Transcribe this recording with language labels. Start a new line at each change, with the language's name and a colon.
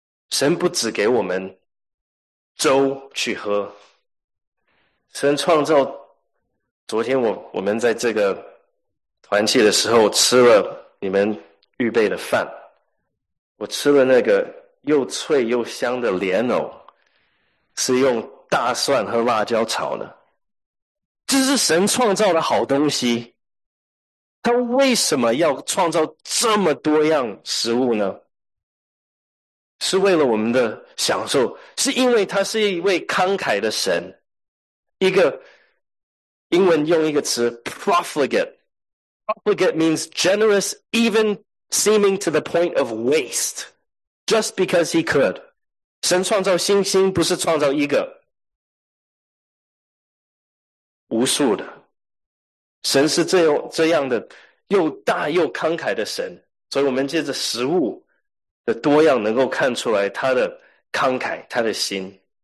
Chinese: 神不只给我们粥去喝，神创造昨天我们在这个团契的时候吃了你们预备的饭，我吃了那个又脆又香的莲藕，是用大蒜和辣椒炒的，这是神创造的好东西。他为什么要创造这么多样食物呢？是为了我们的享受，是因为他是一位慷慨的神。一个英文用一个词 profligate.
English: Profligate means generous even seeming to the point of waste. Just because he could.
Chinese: 神创造星星不是创造一个，无数的。神是这样的又大又慷慨的神。所以我们借着食物的多样能够看出来他的慷慨，他的心。